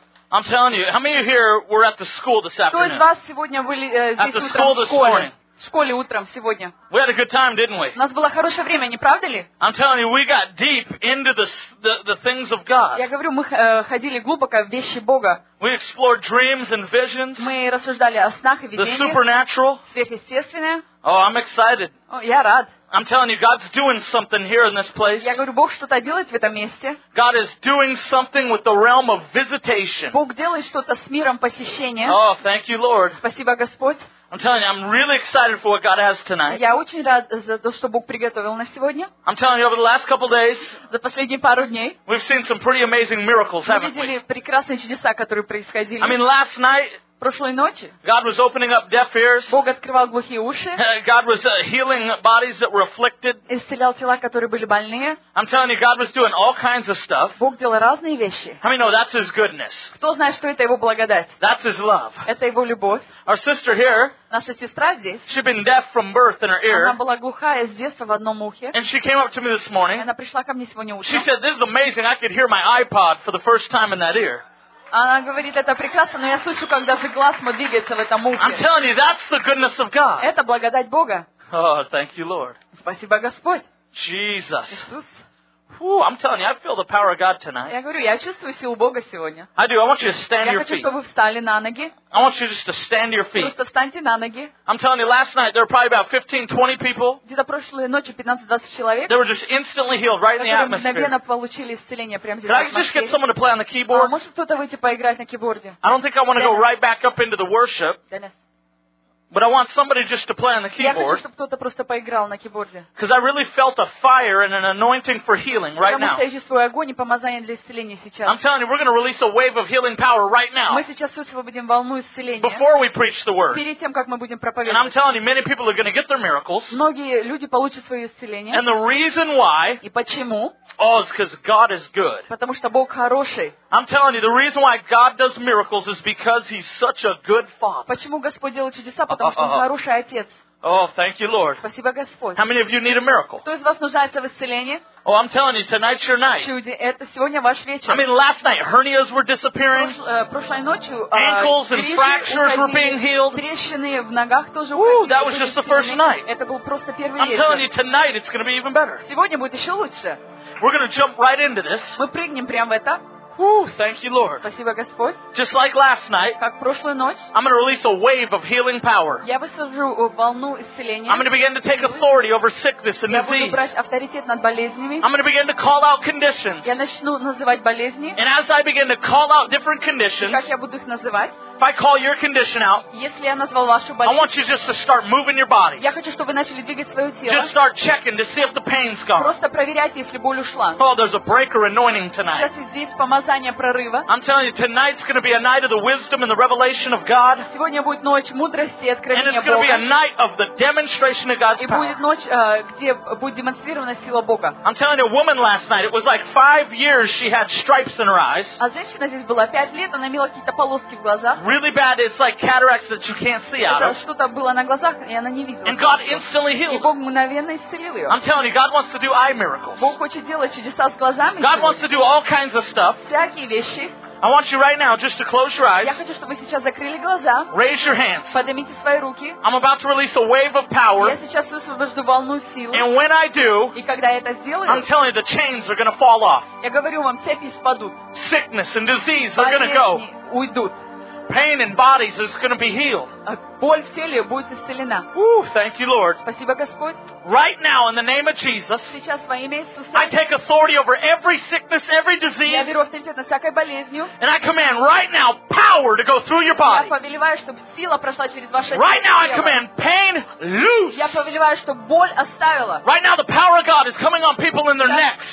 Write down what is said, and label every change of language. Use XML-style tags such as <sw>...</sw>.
<en>I'm telling you, how many of you here were at the school this afternoon?</en> <ru>Кто из вас сегодня были здесь утром в школе?</ru> <en>At the school this morning.</en> <ru>В школе утром сегодня.</ru> <en>We had a good time, didn't we?</en> <ru>У нас было хорошее время, не правда ли?</ru> <en>I'm telling you, we got deep into the things of God.</en> <ru>Я говорю, мы ходили глубоко в вещи Бога.</ru> <en>We explored dreams and visions.</en> <ru>Мы рассуждали о снах и видениях.</ru> <en>The supernatural.</en> <ru>Сверхъестественное.</ru> <en>Oh, I'm excited.</en> <ru>О, я рад.</ru> <en>I'm telling you, God's doing something here in this place.</en> <ru>Я говорю, Бог что-то делает в этом месте.</ru> <en>God is doing something with the realm of visitation.</en> <ru>Бог делает что-то с миром посещения.</ru> <en>Oh, thank you, Lord.</en> <ru>Спасибо, Господь.</ru> <en>I'm telling you, I'm really excited for what God has tonight.</en> <ru>Я очень рад за то, что Бог приготовил на сегодня.</ru> <en>I'm telling you, over the last couple days,</en> <ru>за последние пару дней,</ru> <en>we've seen some pretty amazing miracles, haven't we?</en> <ru>Мы видели прекрасные чудеса, которые происходили.</ru> <en>I mean, last night,</en> <ru>прошлой ночи,</ru> <en>God was opening up deaf ears.</en> <ru>Бог открывал глухие уши.</ru> <en>God was healing bodies that were afflicted.</en> <ru>Исцелял тела, которые были больные.</ru> <en>I'm telling you, God was doing all kinds of stuff.</en> <ru>Бог делал разные вещи.</ru> <en>How many know that's His goodness?</en> <ru>Кто знает, что это Его благодать?</ru> <en>That's His love.</en> <ru>Это Его любовь.</ru> <en>Our sister here.</en> <ru>Наша сестра здесь.</ru> <en>She'd been deaf from birth in her ear.</en> <ru>Она была глухая с детства в одном ухе.</ru> <en>And she came up to me this morning.</en> <ru>Она пришла ко мне сегодня утром.</ru> <en>She said, "This is amazing. I could hear my iPod for the first time in that ear."</en> <ru>Она говорит, это прекрасно, но я слышу, как даже глаз мой двигается в этом ухе.</ru> <en>I'm telling you, that's the goodness of God.</en> <ru>Это благодать Бога.</ru> <en>Oh, thank you, Lord.</en> <ru>Спасибо, Господь.</ru> <en>Jesus.</en> <ru>Иисус.</ru> <en>Whew, I'm telling you, I feel the power of God tonight.</en> <ru>Я говорю, я чувствую силу Бога сегодня.</ru> <en>I do. I want you to stand</en> <ru>я</ru> <en>your</en> <ru>хочу,</ru> <en>feet.</en> <ru>Я хочу, чтобы вы встали на ноги.</ru> <en>I want you just to stand your feet.</en> <ru>Просто встаньте на ноги.</ru> <en>I'm telling you, last night there were probably about 15-20 people.</en> <ru>Где-то прошлой ночью 15-20 человек.</ru> <en>They were just instantly healed right in the atmosphere.</en> <ru>Которые мгновенно получили исцеление прямо здесь.</ru> <en>Can I just get someone to play on the keyboard?</en> <ru>Может кто-то выйти поиграть на кейборде?</ru> <en>I don't think I want to go right back up into the worship. But I want somebody just to play on the keyboard.</en> <ru>Я хочу, чтобы кто-то просто поиграл на кейборде.</ru> <en>Because I really felt a fire and an anointing for healing right now.</en> <ru>Потому что я чувствую огонь и помазание для исцеления сейчас.</ru> <en>I'm telling you, we're going to release a wave of healing power right now.</en> <ru>Мы сейчас высвободим волну исцеления.</ru> <en>Before we preach the word.</en> <ru>Перед тем, как мы будем проповедовать.</ru> <en>And I'm telling you, many people are going to get their miracles.</en> <ru>Многие люди получат свое исцеление.</ru> <en>And the reason why.</en> <ru>И почему?</ru> <en>Oh, it's because God is good.</en> <ru>Потому что Бог хороший.</ru> <en>I'm telling you, the reason why God does miracles is because He's such a good Father.</en> <ru>Почему Господь делает чудеса? Потому что Он хороший Отец.</ru> <en>Oh, thank you, Lord.</en> <ru>Спасибо, Господь.</ru> <en>How many of you need a miracle?</en> <ru>Кто из вас нуждается в исцелении?</ru> <en>Oh, I'm telling you, tonight's your night.</en> <ru>Чуди, это сегодня ваш вечер.</ru> <en>I mean, last night hernias were disappearing.</en> <ru>Прошлой ночью</ru> <en>ankles and fractures were being healed.</en> <ru>Трещины в ногах тоже.</ru> <en>Ooh, that was just the first night.</en> <ru>Это был просто первый</ru> <en>вечер. I'm telling you, tonight it's going to be even better.</en> <ru>Сегодня будет еще лучше.</ru> <en>We're going to jump right into this.</en> <ru>Мы прыгнем прямо в это.</ru> <en>Woo, thank you, Lord.</en> <ru>Спасибо, Господь.</ru> <en>Just like last night,</en> <ru>как прошлую ночь,</ru> <en>I'm going to release a wave of healing power.</en> <ru>Я высвобожу волну исцеления.</ru> <en>I'm going to begin to take authority over sickness and disease.</en> <ru>Я буду брать авторитет над болезнями.</ru> <en>I'm going to begin to call out conditions.</en> <ru>Я начну называть болезни.</ru> <en>And as I begin to call out different conditions,</en> <ru>как я буду их называть,</ru> <en>if I call your condition out,</en> <ru>если я назвал вашу болезнь,</ru> <en>I want you just to start moving your body.</en> <ru>Я хочу, чтобы вы начали двигать свое тело.</ru> <en>Just start checking to see if the pain's gone.</en> <ru>Просто проверяйте, если боль ушла.</ru> <en>Oh, there's a breaker anointing tonight.</en> <ru>Сейчас здесь помазание прорыва.</ru> <en>I'm telling you, tonight's going to be a night of the wisdom and the revelation of God.</en> <ru>Сегодня будет ночь мудрости и откровения Бога.</ru> <en>And it's going to be a night of the demonstration of God's power.</en> <ru>И будет ночь, где будет демонстрирована сила Бога.</ru> <en>I'm telling you, a woman last night, it was like 5 years she had stripes in her eyes.</en> <ru>А женщина здесь была 5 лет, она имела какие-то полоски в глазах.</ru> <en>Really bad, it's like cataracts that you can't see out of.</en> <ru>Что-то было на глазах, и она не видела.</ru> <en>And God instantly healed.</en> <ru>И Бог мгновенно исцелил ее.</ru> <en>I'm telling you, God wants to do eye miracles.</en> <ru>Бог хочет делать чудеса с глазами.</ru> <en>God wants to do all kinds of stuff.</en> <ru>Всякие вещи.</ru> <en>I want you right now just to close your eyes.</en> <ru>Я хочу, чтобы вы сейчас закрыли глаза.</ru> <en>Raise your hands.</en> <ru>Поднимите свои руки.</ru> <en>I'm about to release a wave of power.</en> <ru>Я сейчас высвобожу волну силы.</ru> <en>And when I do,</en> <ru>и когда я это сделаю,</ru> <en>I'm telling you, the chains are going to fall off.</en> <ru>Я говорю вам, цепи спадут.</ru> <en>Sickness and disease, they're going to go.</en> <ru>Болезни уйдут.</ru> <en>Pain in bodies is going to be healed.</en> <ru>Боль в теле будет исцелена.</ru> <en>Ooh, thank you, Lord.</en> <ru>Спасибо, Господь.</ru> <en>Right now, in the name of Jesus,</en> <ru>сейчас во имя Иисуса,</ru> <en>I take authority over every sickness, every disease,</en> <ru>я беру авторитет на всякой болезнью,</ru> <en>and I command right now power to go through your body.</en> <ru>Я повелеваю, чтобы сила прошла через ваше</ru> <en>right</en> <ru>тело.</ru> <en>Now, I command pain loose.</en> <ru>Я повелеваю, чтобы боль оставила.</ru> <en>Right now, the power of God is coming on people in their necks.</en>